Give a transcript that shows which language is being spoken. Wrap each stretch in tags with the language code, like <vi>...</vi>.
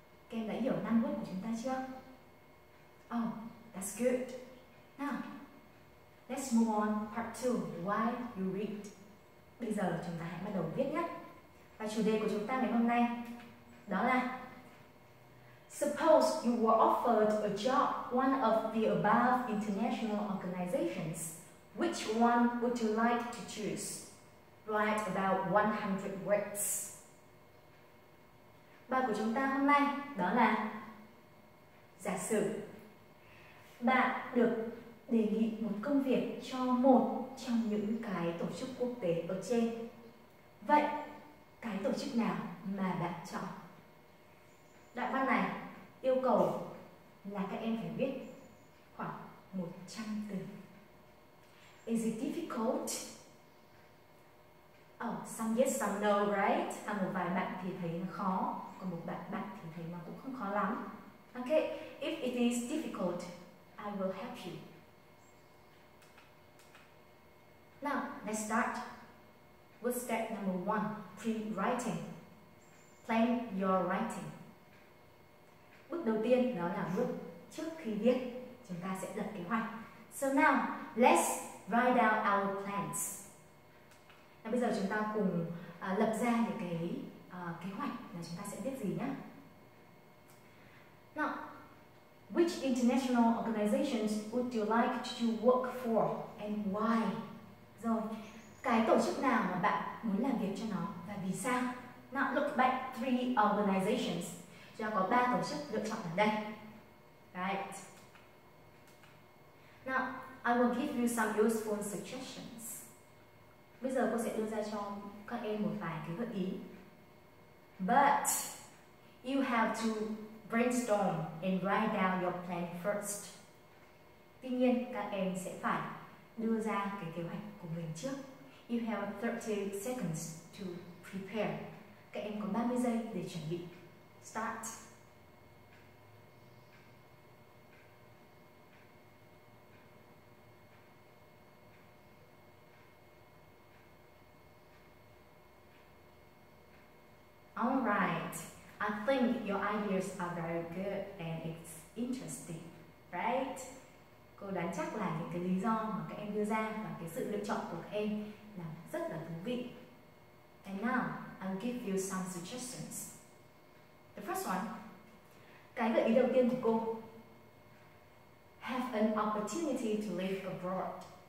<vi>Các em đã hiểu 5 bước của chúng ta chưa?</vi> <en>Oh, that's good. Now, let's move on part 2, why you read.</en> <vi>Bây giờ chúng ta hãy bắt đầu viết nhé. Và chủ đề của chúng ta ngày hôm nay đó là</vi> <en>suppose you were offered a job one of the above international organizations, which one would you like to choose? Write about 100 words.</en> <vi>Bài của chúng ta hôm nay đó là giả sử bạn được đề nghị một công việc cho một trong những cái tổ chức quốc tế ở trên. Vậy cái tổ chức nào mà bạn chọn? Đoạn văn này yêu cầu là các em phải viết khoảng 100 từ.</vi> <en>Is it difficult? Oh, some yes, some no, right?</en> <vi>À, một vài bạn thì thấy nó khó, còn một vài bạn thì thấy nó cũng không khó lắm.</vi> <en>Ok, if it is difficult, I will help you. Now, let's start with step number 1, pre-writing. Plan your writing.</en> <vi>Bước đầu tiên đó là bước trước khi viết, chúng ta sẽ lập kế hoạch.</vi> <en>So now, let's write out our plans.</en> <vi>Và bây giờ chúng ta cùng lập ra những cái kế hoạch là chúng ta sẽ viết gì nhá.</vi> <en>Now, which international organizations would you like to work for and why?</en> <vi>Rồi, cái tổ chức nào mà bạn muốn làm việc cho nó và vì sao?</vi> <en>Now, look back three organizations.</en> <vi>Chúng ta có ba tổ chức lựa chọn ở đây.</vi> <en>Right. Now, I will give you some useful suggestions.</en> <vi>Bây giờ cô sẽ đưa ra cho các em một vài cái gợi ý.</vi> <en>But you have to brainstorm and write down your plan first.</en> <vi>Tuy nhiên, các em sẽ phải đưa ra cái kế hoạch của mình trước.</vi> <en>You have 30 seconds to prepare.</en> <vi>Các em có 30 giây để chuẩn bị.</vi> <en>Start. Alright, I think your ideas are very good and it's interesting, right?</en> <vi>Cô đoán chắc là những cái lý do mà các em đưa ra và cái sự lựa chọn của các em là rất là thú vị.</vi> <en>And now, I'll give you some suggestions. The first one,</en> <vi>cái gợi ý đầu tiên của cô,</vi> <en>have an opportunity to live abroad.</en>